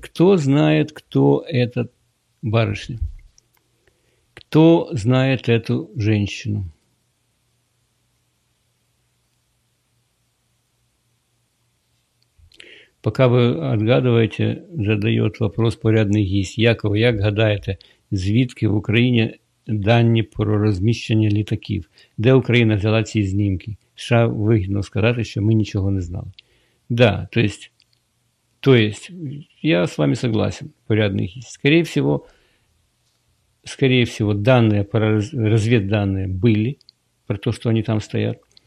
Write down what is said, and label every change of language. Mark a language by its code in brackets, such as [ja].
[ru] Кто знает, кто эта барышня? Кто знает эту женщину? Пока вы отгадываете, задает вопрос порядный гість. [uk] Якова, як гадаєте, звідки в Україні дані про розміщення літаків? Де Україна взяла ці знімки? США вигідно сказати, що ми нічого не знали. [ru] Да, то есть, я с вами согласен, порядний гість. Скорее всего, скорее всего, данные, разведданные были про то, что они там стоят.